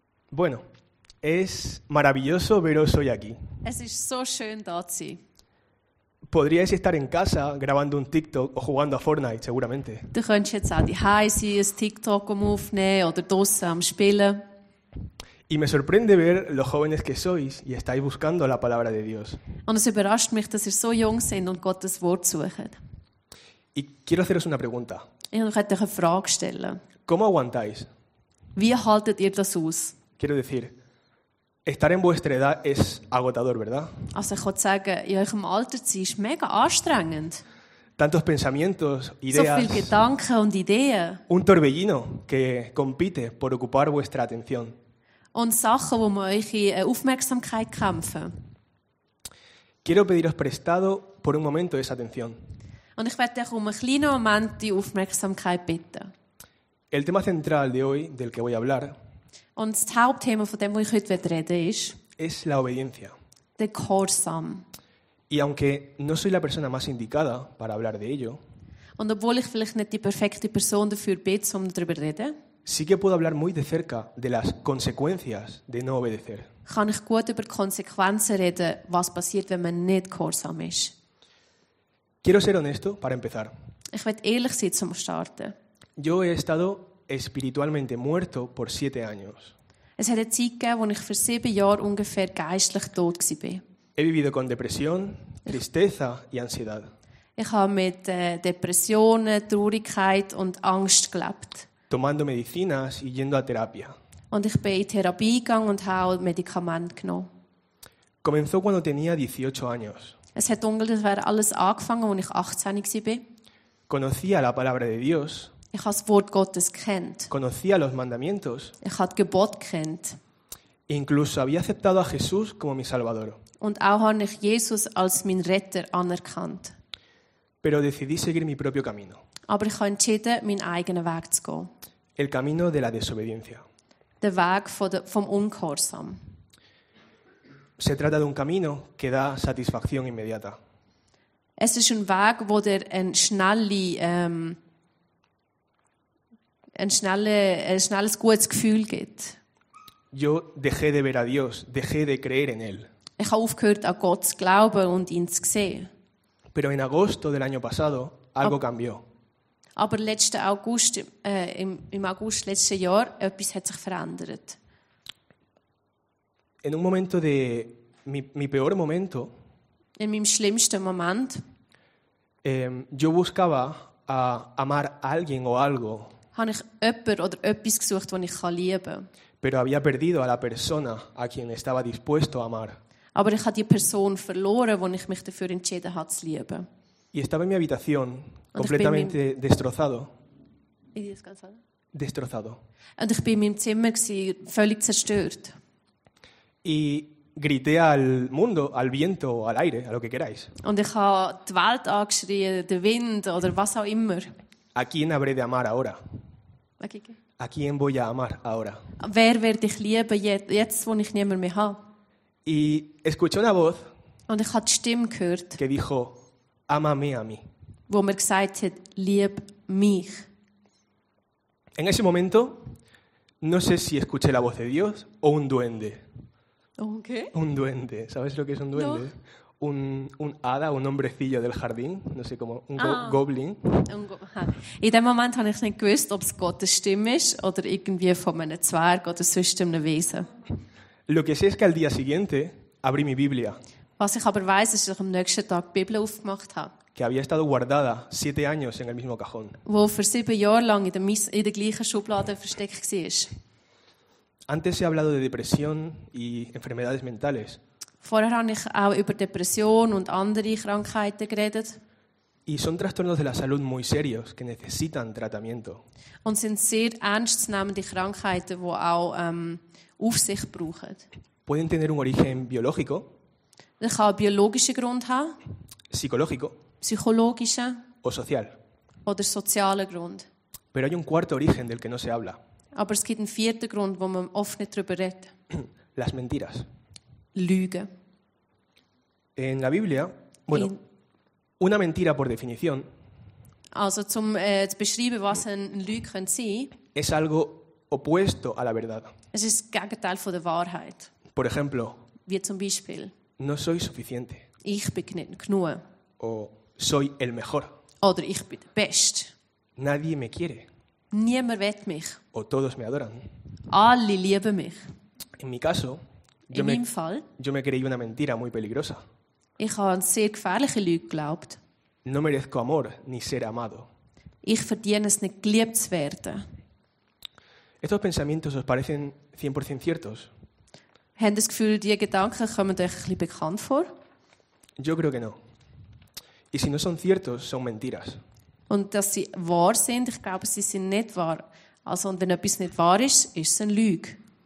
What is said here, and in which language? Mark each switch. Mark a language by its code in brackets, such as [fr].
[es] Bueno, es maravilloso veros hoy aquí. [de] Es ist so schön, da zu sein. [es] Podríais estar en casa grabando un TikTok o jugando a Fortnite, seguramente. [de] Du könntest jetzt auch daheim sein, ein TikTok aufnehmen oder draußen am Spielen. [es] Y me sorprende ver los jóvenes que sois y estáis buscando la palabra de Dios. [de] Und es überrascht mich, dass ihr so jung seid und Gottes Wort sucht. [es] Y quiero haceros una pregunta. [de] Ich möchte euch eine Frage stellen. [es] ¿Cómo aguantáis? [de] Wie haltet ihr das aus? [es] Quiero decir, estar en vuestra edad es agotador, ¿verdad? [de] Also ich kann sagen, in eurem Alter zu sein, ist mega anstrengend. [es] Tantos pensamientos, ideas, [de] so viele Gedanken und Ideen. [es] Un torbellino que compite por ocupar vuestra atención. [de] Und Sachen, wo man euch Aufmerksamkeit kämpfen. [es] Quiero pediros prestado por un momento esa atención. [de] Und ich werde euch um einen kleinen Moment die Aufmerksamkeit bitten. [es] El tema central de hoy, del que voy a hablar, [de] und das Hauptthema, von dem ich heute reden möchte, ist [es] la obediencia. [de] Der Gehorsam. [es] Y aunque no soy la persona más indicada para hablar de ello, [de] und obwohl ich vielleicht nicht die perfekte Person dafür bin, um darüber zu reden, [es] sí que puedo hablar muy de cerca de las consecuencias de no obedecer. [de] Kann ich gut über Konsequenzen reden, was passiert, wenn man nicht gehorsam ist. [es] Quiero ser honesto para empezar. [de] Ich will ehrlich sein, um zu starten. [es] Yo he estado espiritualmente muerto por 7 años. [de] Es hat eine Zeit gegeben, wo ich für 7 Jahre ungefähr geistlich tot gsi bin. [es] He vivido con depresión, tristeza y ansiedad. [de] Ich habe mit Depressionen, Traurigkeit und Angst gelebt. [es] Tomando medicinas y yendo a terapia. [de] Und ich bin in Therapie gegangen und habe Medikamente genommen. [es] Comenzó cuando tenía 18 años. [de] Es hat ungefähr alles angefangen, als ich 18 gsi bin. [es] Conocía la palabra de Dios. [de] Ich habe das Wort Gottes kennt. [es] Conocía los mandamientos. [de] Ich habe das Gebot kennt. [es] Incluso había aceptado a Jesús como mi Salvador. [de] Und auch habe ich Jesus als meinen Retter anerkannt. [es] Pero decidí seguir mi propio camino. [de] Aber ich habe entschieden, meinen eigenen Weg zu gehen. [es] El camino de la desobediencia. [de] Der Weg vom Ungehorsam. [es] Se trata de un camino que da satisfacción inmediata. [de] Es ist ein Weg, wo der ein schnelle ein schnelles gutes Gefühl gibt. [es] Yo dejé de ver a Dios, dejé de creer en él. [de] Ich habe aufgehört, an Gott zu glauben und ihn zu sehen. [es] Pero en agosto del año pasado, algo cambió. [de] Aber letzten August, im August letzten Jahr, etwas hat sich verändert. [es] En un momento de mi peor momento, [de] in meinem schlimmsten Moment, [es] yo buscaba a amar a alguien o algo, [de] habe ich jemanden oder etwas gesucht, das ich lieben kann. [es] Pero había perdido a la persona a quien estaba dispuesto a amar. [de] Aber ich habe die Person verloren, die ich mich dafür entschieden habe, zu lieben. [es] Y estaba en mi habitación, completamente destrozado. Destrozado. [de] Und ich war in meinem Zimmer, völlig zerstört. [es] Y grité al mundo, al viento, al aire, a lo que queráis. [de] Und ich habe die Welt angeschrien, den Wind oder was auch immer. [es] ¿A quién habré de amar ahora? ¿A quién voy a amar ahora? [de] Wer werde ich lieben jetzt, wo ich niemand mehr habe? [es] Y escuché una voz. [de] Und ich habe die Stimme gehört. [es] Que dijo, ámame a mí. [de] Wo mir gesagt hat, lieb mich. [es] En ese momento, no sé si escuché la voz de Dios o un duende. ¿Un qué? Un duende. ¿Sabes lo que es un duende? No. Un hada, un hombrecillo del jardín, no sé cómo, goblin. [de] In dem Moment habe ich nicht gewusst, ob es Gottes Stimme ist oder irgendwie von einem Zwerg oder sonst einem Wesen. [es] Lo que sé es que al día siguiente abrí mi Biblia. [de] Was ich aber weiß, ist, dass ich am nächsten Tag die Bibel aufgemacht habe. [es] Que había estado guardada 7 años en el mismo cajón. [de] Wo für 7 Jahre lang in der gleichen Schublade versteckt war. [es] Antes he hablado de depresión y enfermedades mentales. [de] Vorher habe ich auch über Depression und andere Krankheiten geredet. [es] Y son trastornos de la salud muy serios que necesitan tratamiento. [de] Und sind sehr ernstzunehmende Krankheiten, die auch Aufsicht brauchen. [es] Pueden tener un origen biológico. [de] Das kann einen biologischen Grund haben. [es] Psicológico. [de] Psychologische. [es] O social. [de] Oder sozialer Grund. [es] Pero hay un cuarto origen del que no se habla. [de] Aber es gibt einen vierten Grund, wo man oft nicht drüber redet. [es] Las mentiras. [de] Lügen. [es] En la Biblia, bueno, una mentira por definición. [de] Also zum zu beschreiben, was eine Lüge könnte sein. [es] Es algo opuesto a la verdad. [de] Es ist das Gegenteil von der Wahrheit. [es] Por ejemplo. [de] Wie zum Beispiel. [es] No soy suficiente. [de] Ich bin nicht genug. [es] O soy el mejor. [de] Oder ich bin der Beste. [es] Nadie me quiere. [de] Niemand will mich. [es] O todos me adoran. [de] Alle lieben mich. [es] In mi caso, [de] in meinem Fall, [es] yo me creí una mentira muy peligrosa. [de] Ich habe an sehr gefährliche Leute geglaubt. [es] No merezco amor ni ser amado. [de] Ich verdiene es nicht, geliebt zu werden. [es] Estos pensamientos os parecen 100% ciertos? [de] Haben das Gefühl, diese Gedanken kommen euch ein bisschen bekannt vor? [es] Yo creo que no. Y si no son ciertos, son mentiras. [de] Und dass sie wahr sind, ich glaube, sie sind nicht wahr. Also, wenn etwas nicht wahr ist, ist es eine Lüge.